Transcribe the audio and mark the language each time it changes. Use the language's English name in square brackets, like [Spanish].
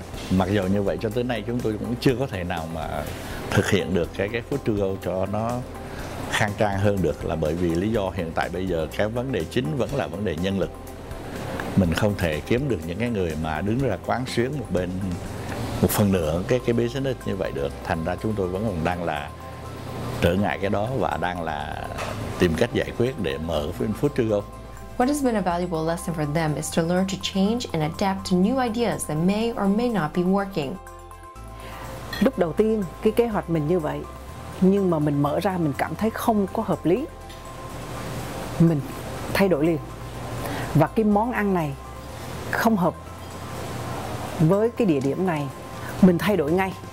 [Vietnamese] Mặc dù như vậy cho tới nay chúng tôi cũng chưa có thể nào mà thực hiện được cái food to go cho nó khang trang hơn được, là bởi vì lý do hiện tại bây giờ cái vấn đề chính vẫn là vấn đề nhân lực. Mình không thể kiếm được những cái người mà đứng ra quán xuyến một bên một phần nửa cái business như vậy được. Thành ra chúng tôi vẫn còn đang là trở ngại cái đó và đang là tìm cách giải quyết để mở food to go. [English] What has been a valuable lesson for them is to learn to change and adapt to new ideas that may or may not be working. [Vietnamese] Lúc đầu tiên, cái kế hoạch mình như vậy, nhưng mà mình mở ra mình cảm thấy không có hợp lý. Mình thay đổi liền. Và cái món ăn này không hợp với cái địa điểm này, mình thay đổi ngay.